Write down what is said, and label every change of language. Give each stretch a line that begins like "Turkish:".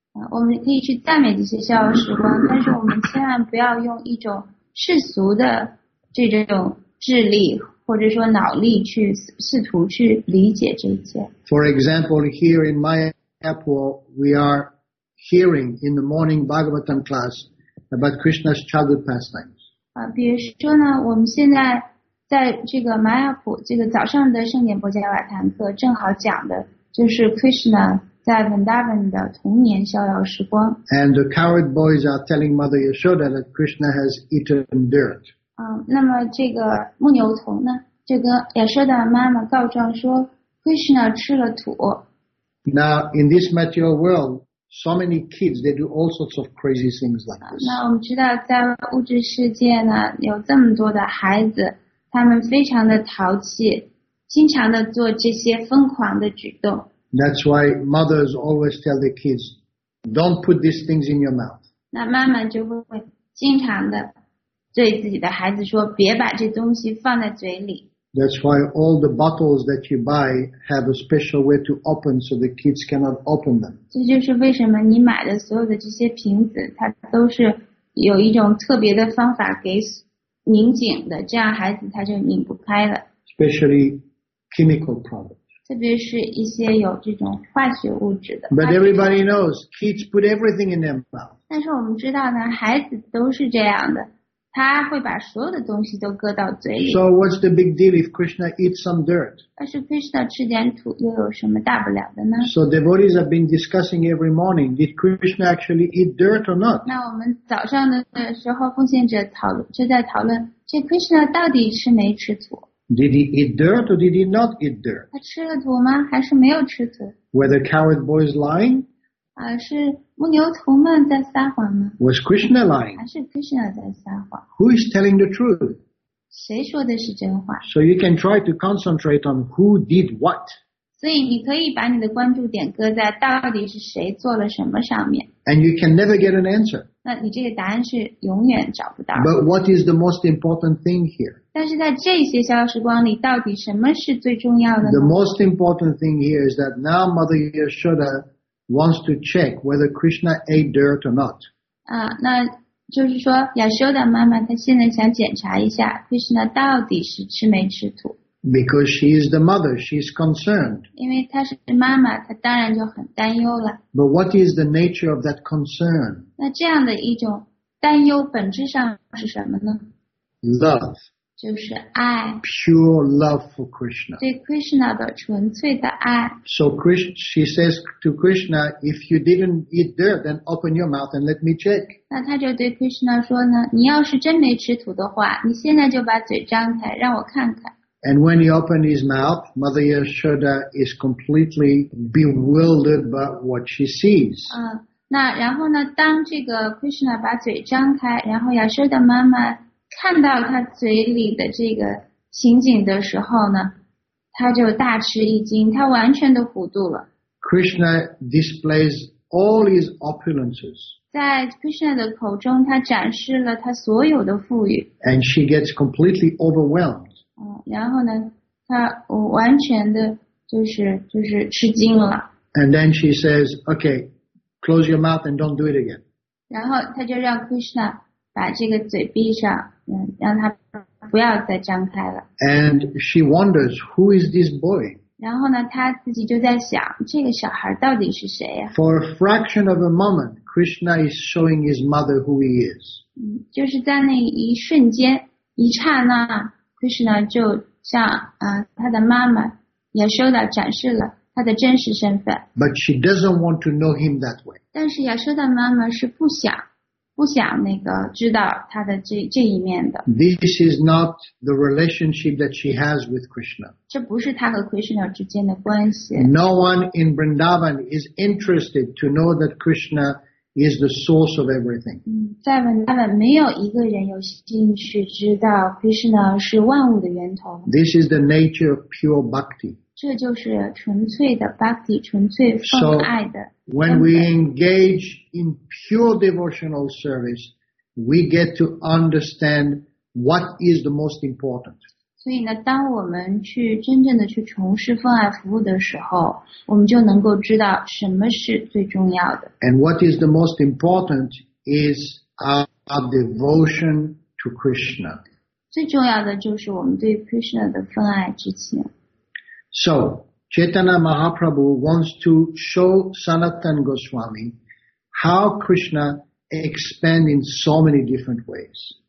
Chinese: 我们可以去赞美这些逍遥时光，但是我们千万不要用一种世俗的这种智力或者说脑力去试图去理解这一切。
English: For example, here in Mayapur, we are hearing in the morning Bhagavatam class. About Krishna's childhood pastimes.
Chinese: 比如说呢，我们现在在这个玛雅普这个早上的圣典波伽瓦坦课，正好讲的就是 Krishna 在 Vrindavan 的童年逍遥时光。
English: And the coward boys are telling Mother Yashoda that Krishna has eaten dirt.
Chinese: 那么这个牧牛童呢，这个亚瑟的妈妈告状说 Krishna 吃了土。
English: Now in this material world, so many kids, they do all sorts of crazy things like this.
Chinese: 那我们知道在物质世界呢，有这么多的孩子，他们非常的淘气，经常的做这些疯狂的举动。
English: That's why mothers always tell the kids, don't put these things in your mouth.
Chinese: 那妈妈就会经常的对自己的孩子说，别把这东西放在嘴里。
English: That's why all the bottles that you buy have a special way to open so the kids cannot open them.
Chinese: 这就是为什么你买的所有的这些瓶子，它都是有一种特别的方法给拧紧的，这样孩子他就拧不开了。
English: Especially chemical products.
Chinese: 特别是一些有这种化学物质的。
English: But everybody knows kids put everything in their mouth.
Chinese: 但是我们知道呢，孩子都是这样的，他会把所有的东西都搁到嘴里。
English: So what's the big deal if Krishna eats some dirt?
Chinese: 但是 Krishna 吃点土又有什么大不了的呢？
English: So devotees have been discussing every morning, did Krishna actually eat dirt or not?
Chinese: 那我们早上的时候奉献者就在讨论，这 Krishna 到底是没吃土。
English: Did he eat dirt or did he not eat dirt?
Chinese: 他吃了土吗？还是没有吃土？
English: Were the coward boys lying?
Chinese: 是牧牛童们在撒谎吗？
English: Was Krishna lying?
Chinese: 还是 Krishna 在撒谎？
English: Who is telling the truth?
Chinese: 谁说的是真话？
English: So you can try to concentrate on who did what.
Chinese: 所以你可以把你的关注点搁在到底是谁做了什么上面。
English: And you can never get an answer.
Chinese: 那你这个答案是永远找不到。
English: But what is the most important thing here?
Chinese: 但是在这些消时光里，到底什么是最重要的呢？
English: The most important thing here is that now Mother Yashoda wants to check whether Krishna ate dirt or not.
Chinese: 那就是说亚瑟的妈妈她现在想检查一下 Krishna 到底是吃没吃土。
English: Because she is the mother, she is concerned.
Chinese: 因为她是妈妈，她当然就很担忧了。
English: But what is the nature of that concern?
Chinese: 那这样的一种担忧本质上是什么呢？
English: Love.
Chinese: 就是爱。
English: Pure love for Krishna.
Chinese: 对 Krishna 的纯粹的爱。
English: So she says to Krishna, if you didn't eat dirt, then open your mouth and let me check.
Chinese: 那他就对 Krishna 说呢，你要是真没吃土的话，你现在就把嘴张开，让我看看。
English: And when he opened his mouth, Mother Yashoda is completely bewildered by what she sees.
Chinese: 那然后呢，当这个 Krishna 把嘴张开，然后亚瑟的妈妈看到他嘴里的这个情景的时候呢，他就大吃一惊，他完全都糊涂了。
English: Krishna displays all his opulences.
Chinese: 在 Krishna 的口中，他展示了他所有的富裕。
English: And she gets completely overwhelmed.
Chinese: 然后呢，他完全的就是吃惊了。
English: And then she says, okay, close your mouth and don't do it again.
Chinese: 然后他就让 Krishna把这个嘴闭上，让他不要再张开了。
English: And she wonders who is this boy.
Chinese: 然后呢，他自己就在想，这个小孩到底是谁呀？
English: For a fraction of a moment, Krishna is showing his mother who he is.
Chinese: 就是在那一瞬间，一刹那， Krishna 就向他的妈妈也收到展示了他的真实身份。
English: But she doesn't want to know him that way.
Chinese: 但是亚瑟的妈妈是不想那个知道他的这一面的。
English: This is not the relationship that she has with Krishna.
Chinese: 这不是他和 Krishna 之间的关系。
English: No one in Vrindavan is interested to know that Krishna is the source of everything.
Chinese: 在 Vrindavan 没有一个人有兴趣知道 Krishna 是万物的源头。
English: This is the nature of pure bhakti.
Chinese: 这就是纯粹的 bhakti, 纯粹奉爱的。
English: When we engage in pure devotional service, we get to understand what is the most important.
Chinese: 所以呢，当我们去真正的去从事奉爱服务的时候，我们就能够知道什么是最重要的。
English: And what is the most important is our devotion to Krishna.
Chinese: 最重要的就是我们对 Krishna 的奉爱之情。
English: So, Chaitanya Mahaprabhu wants to show Sanatan Goswami how Krishna expand in so many different ways.